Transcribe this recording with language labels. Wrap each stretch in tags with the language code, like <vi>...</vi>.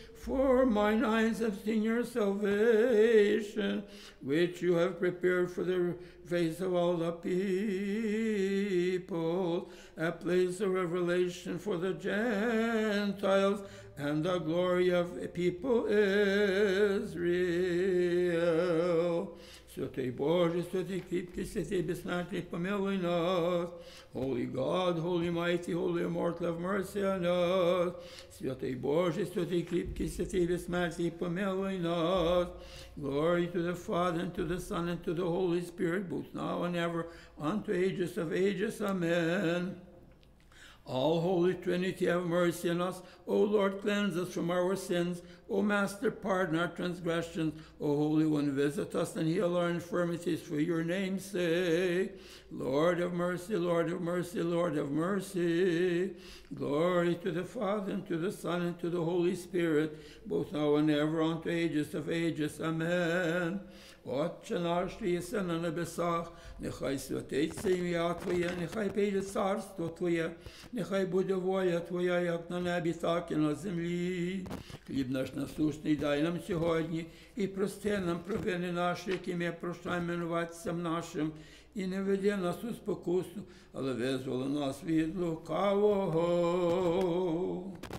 <en>For mine eyes have seen your salvation, which you have prepared for the face of all the people, a place of revelation for the Gentiles, and the glory of people Israel.</en> <uk>Святий Боже, святий кріпкий, святий безсмертний, помилуй нас.</uk> <en>Holy God, holy mighty, holy immortal, have mercy on us.</en> <uk>Святий Боже, святий кріпкий, святий безсмертний, помилуй нас.</uk> <en>Glory to the Father, and to the Son, and to the Holy Spirit, both now and ever, unto ages of ages. Amen. All Holy Trinity, have mercy on us. O Lord, cleanse us from our sins. O Master, pardon our transgressions. O Holy One, visit us and heal our infirmities for your name's sake. Lord of mercy, Lord of mercy, Lord of mercy. Glory to the Father, and to the Son, and to the Holy Spirit, both now and ever, unto ages of ages. Amen.</en> <uk>Отче наш, що єси на небесах, нехай святиться ім'я Твоє, нехай прийде царство Твоє, нехай буде воля Твоя, як на небі, так і на землі. Хліб наш насущний дай нам сьогодні, і прости нам провини наші, які ми прощаємо винуватцям нашим, і не веди нас у спокусу, але визволи нас від лукавого.</uk>